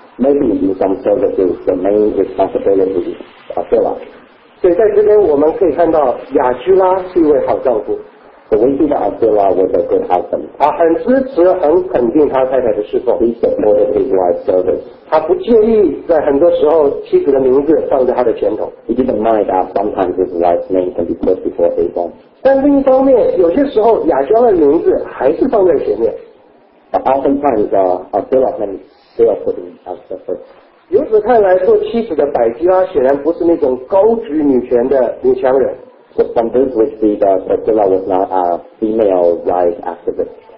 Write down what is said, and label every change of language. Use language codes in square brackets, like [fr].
[en] Maybe in some services the main responsibility is Aquila. [zh] 所以在这边我们可以看到亚居拉是一位好丈夫。 [en] So we see that Aquila was a good husband. [zh] 很支持，很肯定他太太的侍奉。 [en] He supported his wife's service. [zh] 他不介意在很多时候妻子的名字放在他的前头。 [en] He didn't mind that sometimes his wife's name can be put before his own. [zh] 但另一方面，有些时候亚居拉的名字还是放在前面。 [en] But oftentimes Aquila's name is still put in as the first. [zh] 由此看来，做妻子的百居拉显然不是那种高举女权的女强人。 [en] So from this we see that Aquila was not a female rights activist.